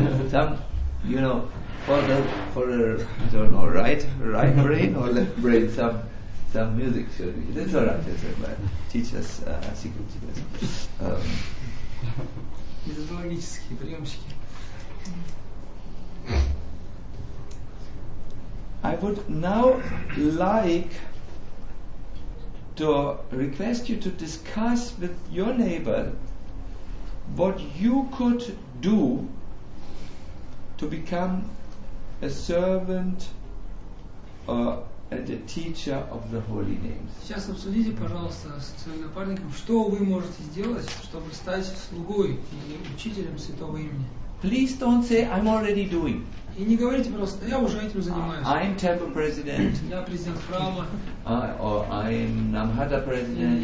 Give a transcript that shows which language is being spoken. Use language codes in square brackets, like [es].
[en] Some, you know, for the, I don't know, right brain or left brain, some music should be. That's all right. That's all right. Teach us secret teachers. [ru] Методологические приемчики. [en] I would now like to request you to discuss with your neighbor what you could do to become a servant and a teacher of the holy names. [ru] Сейчас обсудите, пожалуйста, с своим напарником, что вы можете сделать, чтобы стать слугой или учителем святого имени. [en] Please don't say I'm already doing. [ru] И не говорите просто, я уже этим занимаюсь. [en] I'm temple president. [ru] Я президент храма. [en] Or I'm Namhada president.